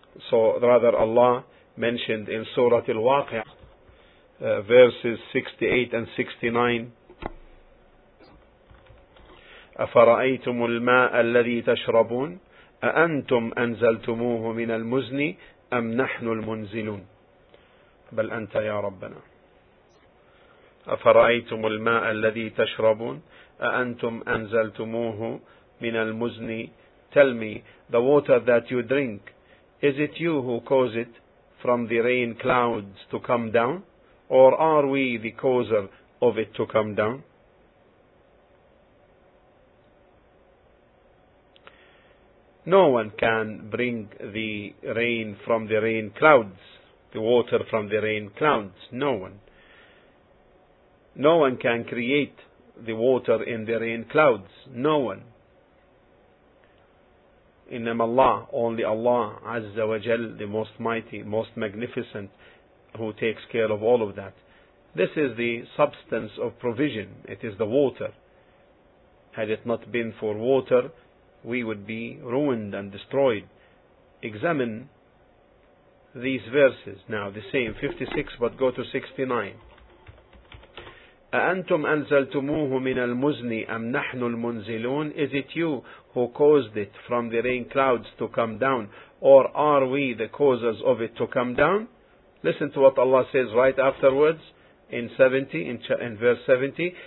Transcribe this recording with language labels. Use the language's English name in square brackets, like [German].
[English] So rather Allah mentioned in Surah Al-Waqi'ah, verses 68 and 69, [Arabic] أَفَرَأَيْتُمُ الْمَاءَ الَّذِي تَشْرَبُونَ أَأَنْتُمْ أَنْزَلْتُمُوهُ مِنَ الْمُزْنِ أَمْ نَحْنُ الْمُنْزِلُونَ بل أنت يا ربنا. أفرأيتم الماء الذي تشربون أأنتم أنزلتموه من المزن. [English] Tell me, the water that you drink, is it you who cause it from the rain clouds to come down, or are we the causer of it to come down? No one can bring the rain from the rain clouds, the water from the rain clouds, no one. No one can create the water in the rain clouds, no one. [Arabic] إِنَّمَا اللَّهِ, [English] only Allah, Azza wa Jal, the most mighty, most magnificent, who takes care of all of that. This is the substance of provision, it is the water. Had it not been for water, we would be ruined and destroyed. Examine these verses now, the same 56, but go to 69. [Arabic] أأنتم أنزلتموه من المزن أم نحن المنزلون. [English] Is it you who caused it from the rain clouds to come down, or are we the causers of it to come down? Listen to what Allah says right afterwards in 70, in verse 70.